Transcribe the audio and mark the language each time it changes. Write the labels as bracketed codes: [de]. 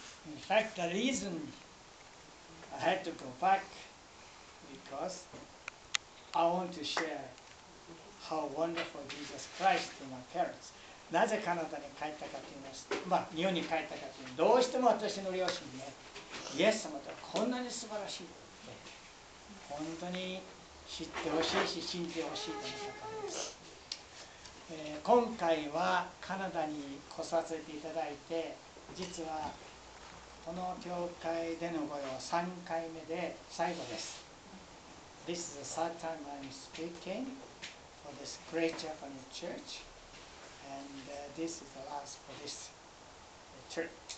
[en] In fact, the reason I had to go back because I want to share how wonderful Jesus Christ to my parents. [ja] なぜカナダに帰ったかと言いますと、まあ、日本に帰ったかと言いますと、どうしても私の両親ね、イエス様とはこんなに素晴らしいって、本当に知ってほしいし、信じてほしいと思ったからです。今回はカナダに来させていただいて、実はこの教会でのご用は3回目で最後です。 [en] This is the third time I'm speaking for this great Japanese church. And this is the last for this church.